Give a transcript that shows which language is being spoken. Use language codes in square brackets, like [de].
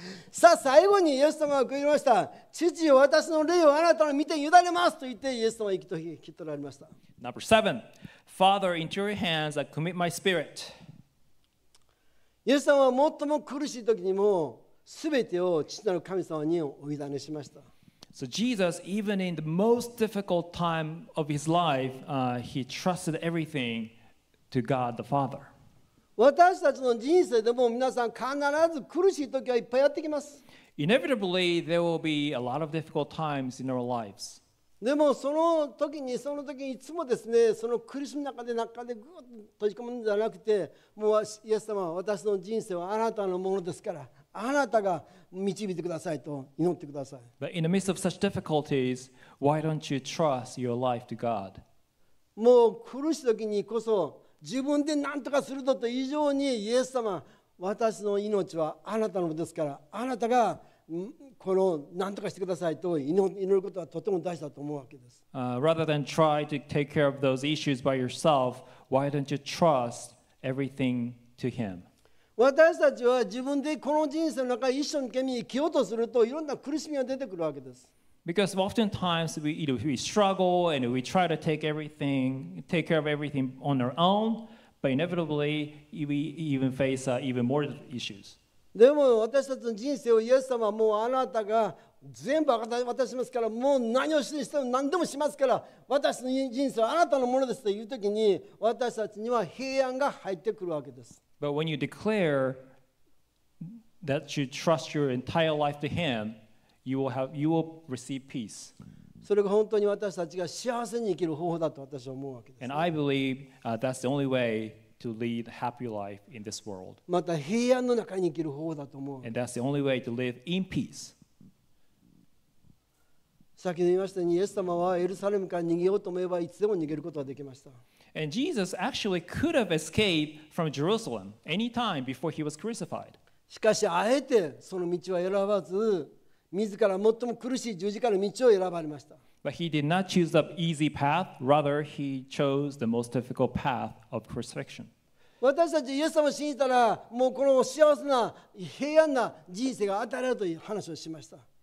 [ja] さあ最後にイエス様が言いました。父よ、私の霊をあなたの御手に委ねますと言ってイエス様は引き取られました。 [en] Number 7. Father, into your hands I commit my spirit. [ja] イエス様は最も苦しい時にも全てを父なる神様にお委ねしました。 [en] So Jesus, even in the most difficult time of his life, he trusted everything to God the Father. [ja] 私たちの人生でも皆さん必ず苦しい時はいっぱいやってきます。 [en] Inevitably, there will be a lot of difficult times in our lives. [ja] でもその時にいつもですね、その苦しみの中でぐっと閉じ込むんじゃなくて、もうイエス様、私の人生はあなたのものですから、あなたが導いてくださいと祈ってください。 [en] But in the midst of such difficulties, why don't you trust your life to God? [ja] もう苦しい時にこそ、自分で何とかすると以上にイエス様、私の命はあなたのですから、あなたがこの何とかしてくださいと祈ることはとても大事だと思うわけです。 [en] Rather than try to take care of those issues by yourself, why don't you trust everything to him? [ja] 私たちは自分でこの人生の中一生懸命生きようとするといろんな苦しみが出てくるわけです。 [en] Because oftentimes we struggle and we try to take care of everything on our own, but inevitably we even face even more issues. [ja] でも私たちの人生をイエス様はもうあなたが全部渡しますから、もう何をしても何でもしますから、私の人生はあなたのものですという時に私たちには平安が入ってくるわけです。 [en] But when you declare that you trust your entire life to Him,You will receive peace. [ja] それが本当に私たちが幸せに生きる方法だと私は思うわけです。 [en] And I believe, that's the only way to lead a happy life in this world. [ja] また平安の中に生きる方法だと思うわけです。 [en] And that's the only way to live in peace. [ja] 先に言いましたように、イエス様はエルサレムから逃げようと思えばいつでも逃げることができました。 [en] And Jesus actually could have escaped from Jerusalem any time before he was crucified. [ja] しかしあえてその道は選ばず、自ら最も苦しい十字架の道を選ばれました。 [en] But he did not choose the easy path, rather he chose the most difficult path of crucifixion. [ja] 私たちイエス様を信じたら、もうこの幸せな平安な人生が与えられるという話をしました。